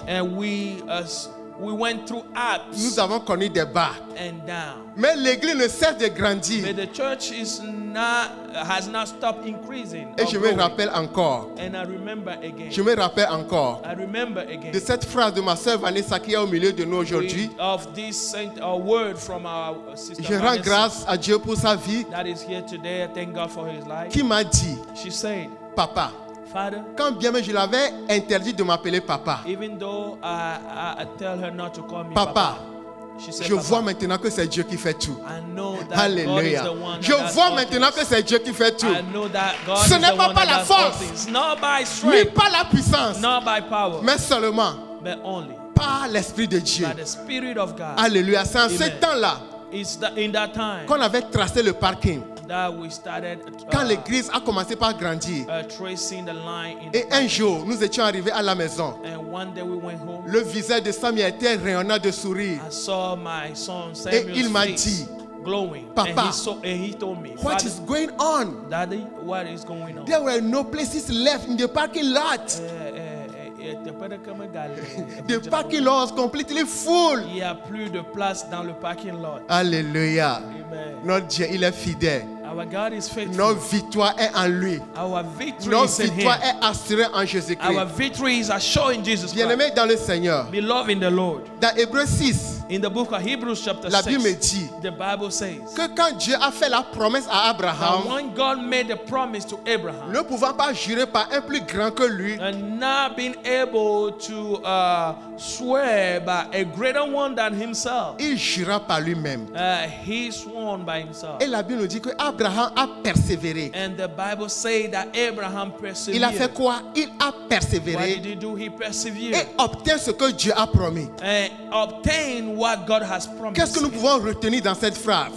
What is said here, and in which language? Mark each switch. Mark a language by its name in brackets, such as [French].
[English] And we went through ups. [French] Nous avons connu des bas. [English] And down. [French] Mais l'église ne cesse de grandir. [English] But the church has not stopped increasing. [French] Et je me rappelle encore. [English] And I remember again. [French] Je me rappelle encore. [English] I remember again. [French] De cette phrase de ma sœur Vanessa qui est au milieu de nous aujourd'hui. [English] Of this saint, a word from our sister. [French] Je rends grâce à Dieu pour sa vie. [English] That is here today. I thank God for his life. [French] Qui m'a dit? [English] She said, [French] papa. [English] Father, [French] quand bien même je l'avais interdit de m'appeler papa. [English] Even though I tell her not to call me [French] papa. Papa. [English] Said, [French] je vois maintenant que c'est Dieu qui fait tout. Alléluia. Je vois maintenant que c'est Dieu qui fait tout. Ce n'est pas par la force, ni par la puissance, [English] not by power, [French] mais seulement [English] but only [French] par l'Esprit de Dieu. [English] By the Spirit of God. [French] Alléluia. C'est en ce temps-là qu'on avait tracé le parking. [English] That we started, [French] quand l'église a commencé par grandir, [English] tracing the line in [French] et [English] the [French] un jour nous étions arrivés à la maison, [English] and one day we went home, [French] le visage de Samuel était rayonnant de sourire. [English] I saw my son Samuel's [French] et il m'a dit, [English] glowing, [French] papa, [English] and he told me, what is going on? Daddy, what is going on? There were no places left in the parking lot. The parking lot was completely full. [French] Il y a plus de place dans le parking lot. Alléluia. [English] Amen. [French] Notre Dieu, il est fidèle. [English] Our God is faithful. [French] Notre victoire est en lui. [English] Our victory [French] notre [English] is [French] victoire [English] in him. [French] Est assurée en Jésus-Christ. [English] Our victory is assured in Jesus Christ. [French] Bien-aimé dans le Seigneur. [English] Beloved in the Lord. [French] Dans Hébreux 6. [English] In the book of Hebrews chapter 6. [French] La Bible dit. [English] The Bible says. [French] Que quand Dieu a fait la promesse à Abraham. [English] When God made a promise to Abraham. [French] Ne pouvant pas jurer par un plus grand que lui. [English] And not being able to swear by a greater one than himself. [French] Il jura par lui-même. [English] He sworn by himself. [French] Et la Bible nous dit que Abraham a persévéré. [English] And the Bible say that Abraham persevered. [French] Il a fait quoi? Il a persévéré. [English] What did he do? He persevered. [French] Et obtint ce que Dieu a promis. [English] And obtained what God has promised. [French] Qu'est-ce que nous pouvons retenir dans cette phrase?